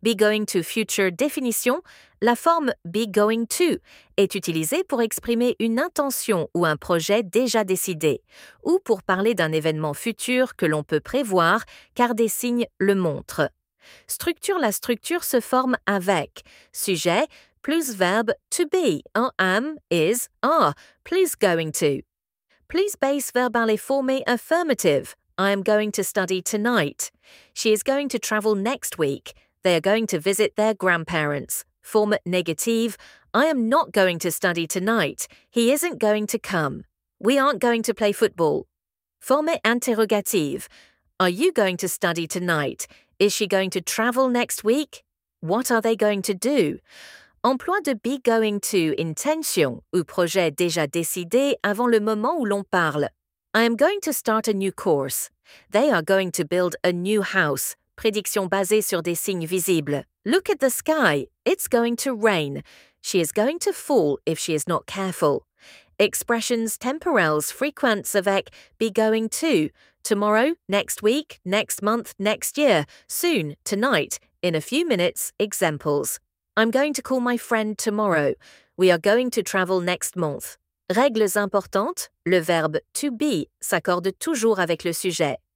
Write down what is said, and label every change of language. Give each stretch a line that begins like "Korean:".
French: Be going to future définition, la forme be going to est utilisée pour exprimer une intention ou un projet déjà décidé, ou pour parler d'un événement futur que l'on peut prévoir car des signes le montrent. Structure, la structure se forme avec sujet plus verbe to be en am, is, are, please going to. Please base verbale former affirmative.
English: I am going to study tonight. She is going to travel next week. They are going to visit their grandparents. Form negative. I am not going to study tonight. He isn't going to come. We aren't going to play football. Form interrogative. Are you going to study tonight? Is she going to travel next week? What are they going to do?
French: Emploi de be going to intention ou projet déjà décidé avant le moment où l'on parle.
English: I am going to start a new course. They are going to build a new house.
French: Prédiction basée sur des signes visibles.
English: Look at the sky. It's going to rain. She is going to fall if she is not careful.
French: Expressions temporelles frequentes avec be going to.
English: Tomorrow, next week, next month, next year, soon, tonight, in a few minutes, examples. I'm going to call my friend tomorrow. We are going to travel next month.
French: Règles importantes, le verbe to be s'accorde toujours avec le sujet.